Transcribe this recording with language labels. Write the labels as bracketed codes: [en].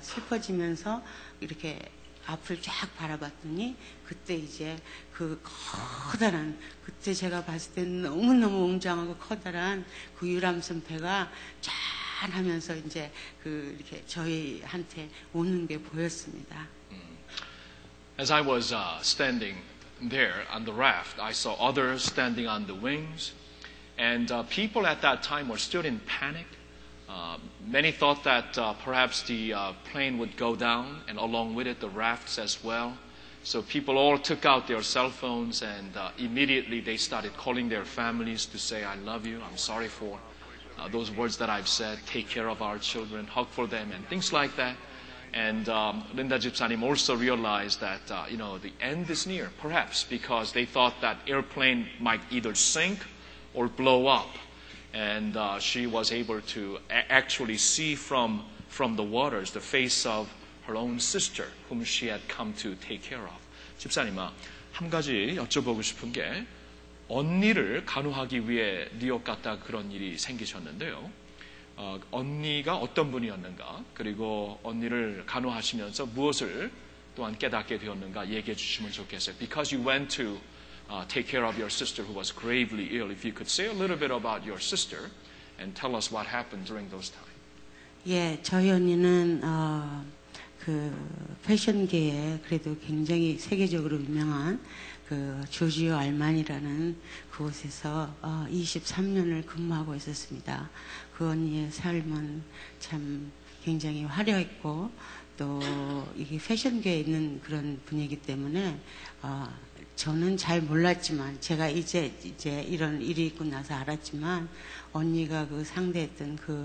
[ko] 슬퍼지면서 이렇게 앞을 쫙 바라봤더니 그때 이제 그 커다란 그때 제가 봤을 때 너무 너무 웅장하고 커다란 그 유람선 배가 쫙 하면서 이제 그 이렇게 저희한테 오는 게 보였습니다. [en] As I was standing. There on the raft, I saw others standing on the wings, and people at that time were still in panic. Many thought that perhaps the plane would go down, and along with it, the rafts as well. So people all took out their cell phones, and immediately they started calling their families to say, I love you, I'm sorry for those words that I've said, take care of our children, hug for them, and things like that. And Linda Jipsanim also realized that, you know, the end is near, perhaps, because they thought that airplane might either sink or blow up. And she was able to actually see from the waters the face of her own sister, whom she had come to take care of. Jipsanim, [ko] 한 가지 여쭤보고 싶은 게, 언니를 간호하기 위해 뉴욕 갔다 그런 일이 생기셨는데요. 언니가 어떤 분이었는가 그리고 언니를 간호하시면서 무엇을 또한 깨닫게 되었는가 얘기해 주시면 좋겠어요. [en] Because you went to take care of your sister who was gravely ill. If you could say a little bit about your sister and tell us what happened during those times. [ko] 예, 저희 언니는 그 패션계에 그래도 굉장히 세계적으로 유명한 그 조지오 알마니라는 그곳에서 23년을 근무하고 있었습니다. 그 언니의 삶은 참 굉장히 화려했고 또 이게 패션계에 있는 그런 분이기 때문에 저는 잘 몰랐지만 제가 이제 이런 일이 있고 나서 알았지만 언니가 그 상대했던